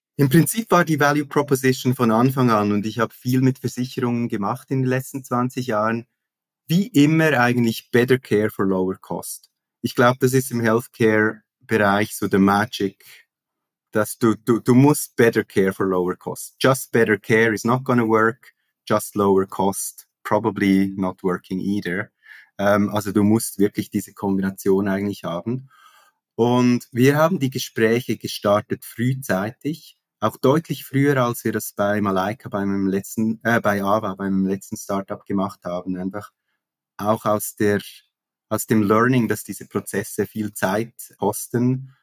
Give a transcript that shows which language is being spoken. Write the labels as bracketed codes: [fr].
[de] Im Prinzip war die Value Proposition von Anfang an, und ich habe viel mit Versicherungen gemacht in den letzten 20 Jahren, wie immer eigentlich [en] better care for lower cost. [de] Ich glaube, das ist im Healthcare-Bereich so der Magic, dass du musst [en] better care for lower cost. Just better care is not gonna work, just lower cost probably not working either. [de] Also du musst wirklich diese Kombination eigentlich haben. Und wir haben die Gespräche gestartet frühzeitig, auch deutlich früher, als wir das bei Malaika, bei AVA, bei meinem letzten Startup gemacht haben. Einfach auch aus dem Learning, dass diese Prozesse viel Zeit kosten.